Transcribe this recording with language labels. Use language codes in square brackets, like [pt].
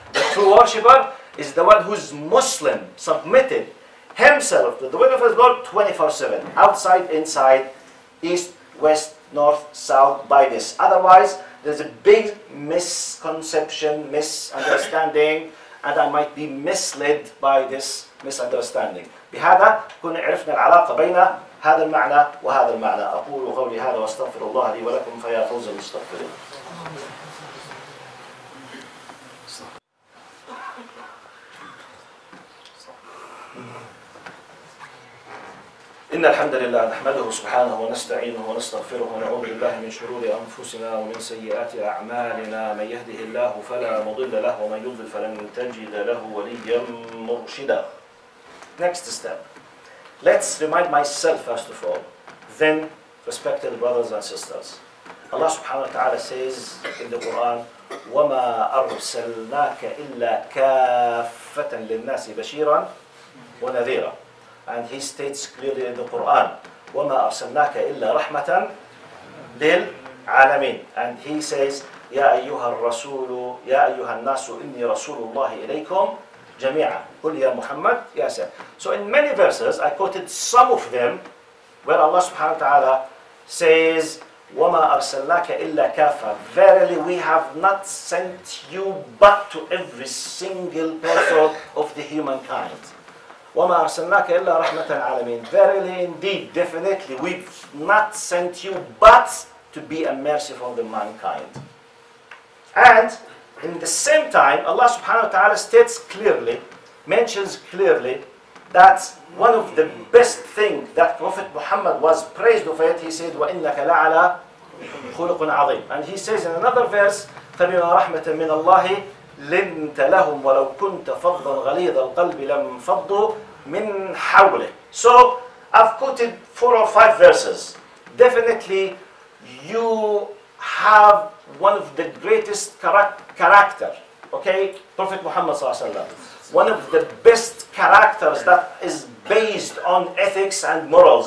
[en] The true worshipper is the one who's Muslim, submitted himself to the will of his Lord 24/7, outside, inside, east, west, north, south, by this. Otherwise, there's a big misconception, misunderstanding, and I might be misled by this misunderstanding. [ar] بهذا كنا عرفنا العلاقة بين هذا المعنى وهذا المعنى. أقول قولي هذا واستغفر الله لي ولكم فيا فوز المستغفرين. إن الحمد لله نحمده سبحانه ونستعينه ونستغفره ونعوذ بالله من شرور أنفسنا ومن سيئات أعمالنا من يهده الله فلا مضل له ومن يضلل فلن تجد له وليا مرشدا. [en] Next step. Let's remind myself first of all. Then, respected brothers and sisters. Allah subhanahu wa ta'ala says in the Quran, [ar] وَمَا أَرْسَلْنَاكَ إِلَّا كَافَّةً لِلنَّاسِ بَشِيرًا وَنَذِيرًا. [en] And he states clearly in the Quran, [ar] وَمَا أَرْسَلْنَاكَ إِلَّا رَحْمَةً لِلْعَالَمِينَ. [en] And he says, [ar] يَا أَيُّهَا الرَّسُولُ يَا أَيُّهَا النَّاسُ إِنِّي رَسُولُ اللَّهِ إِلَيْكُمْ جَمِيعًا قُلْ يَا مُحَمَّدُ يَا سَيْرَ. [en] So in many verses, I quoted some of them where Allah subhanahu wa ta'ala says, [ar] وَمَا أَرْسَلْنَاكَ إِلَّا كَافَةً. [en] Verily, we have not sent you but to every single person of the humankind. [ar] وَمَا أَرْسَلْنَاكَ إِلَّا رَحْمَةً عَالَمِينَ. [en] Verily, indeed, definitely, we've not sent you but to be a mercy for the mankind. And in the same time, Allah subhanahu wa ta'ala states clearly, mentions clearly, that one of the best things that Prophet Muhammad was praised of it, he said, [ar] وَإِنَّكَ لَعَلَى خُلُقٌ عَظِيمٌ. [en] And he says in another verse, [ar] فَبِمَا رَحْمَةً مِنَ اللَّهِ لنت لهم ولو كنت فضا غليظ القلب لم فضوا من حوله. [en] So I've quoted four or five verses. Definitely you have one of the greatest character, okay? Prophet Muhammad sallallahu alaihi wasallam. One of the best characters that is based on ethics and morals.